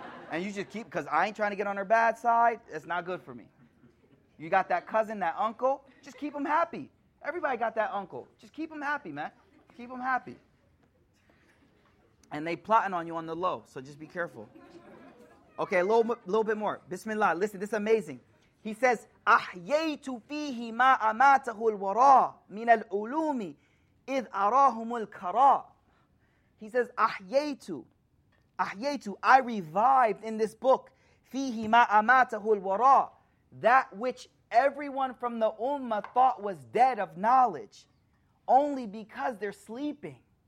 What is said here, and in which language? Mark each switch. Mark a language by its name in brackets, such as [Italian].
[English] And you just keep, because I ain't trying to get on her bad side. It's not good for me. You got that cousin, that uncle, just keep them happy. Everybody got that uncle. Just keep them happy, man. Keep them happy. And they plotting on you on the low, so just be careful. Okay, a little bit more. Bismillah, listen, this is amazing. He says, [Arabic] أَحْيَيْتُ فِيهِ مَا أَمَاتَهُ الْوَرَىٰ مِنَ الْعُلُومِ إِذْ أَرَاهُمُ الْكَرَىٰ. [English] He says, [Arabic] أَحْيَيْتُ, [English] I revived in this book, [Arabic] فِيهِ مَا أَمَاتَهُ الْوَرَىٰ, [English] that which everyone from the ummah thought was dead of knowledge, only because they're sleeping.